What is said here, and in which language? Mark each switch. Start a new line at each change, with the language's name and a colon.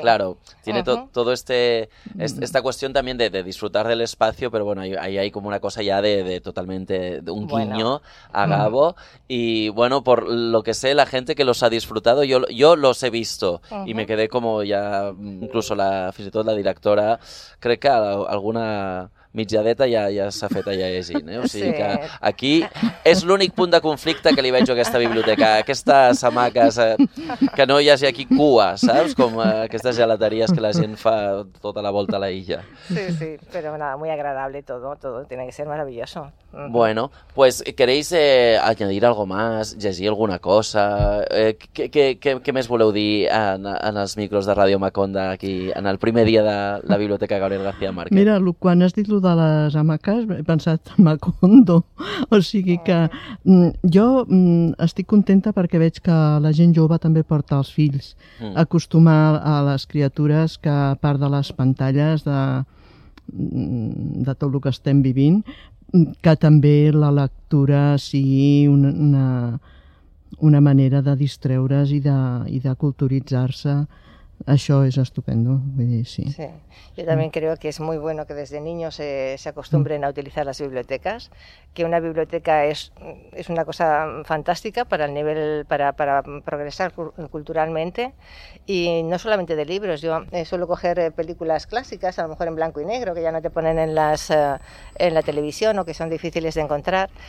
Spanish: Claro, tiene todo esta cuestión también de disfrutar del espacio, pero bueno, ahí hay como una cosa ya de totalmente de un guiño, bueno, a Gabo. Y bueno, por lo que sé, la gente que los ha disfrutado, yo los he visto. Uh-huh. Y me quedé como ya, incluso la, fíjate, toda la directora, creo que alguna...
Catalan: mitjadeta ja s'ha fet allà llegint, eh? O sigui, sí, que aquí és l'únic punt de conflicte que li veig a aquesta biblioteca, aquestes hamaques, que no hi hagi aquí cua, saps? Com aquestes gelateries que la gent fa tota la volta a la illa.
Spanish: Sí, sí, però nada, muy agradable todo, tiene que ser maravilloso. Bueno, pues queréis añadir algo más,
Catalan: llegir alguna cosa, què més voleu dir en els micros de Ràdio Maconda aquí en el primer dia de la biblioteca Gabriel García Márquez? Mira, quan has dit lo de les hamaques, he pensat en Macondo, o sigui que jo estic contenta perquè veig que la gent jove també porta els fills, acostumar a les criatures que a part de les pantalles de tot el que estem vivint, que també la lectura sigui una manera de distreure's i de culturitzar-se Això és estupendo, vull dir, sí.
Spanish: Sí, yo también creo que es muy bueno que desde niños se acostumbren a utilizar las bibliotecas, que una biblioteca es una cosa fantástica para el nivel, para progresar culturalmente, y no solamente de libros. Yo suelo coger películas clásicas, a lo mejor en blanco y negro, que ya no te ponen en la televisión o que son difíciles de encontrar.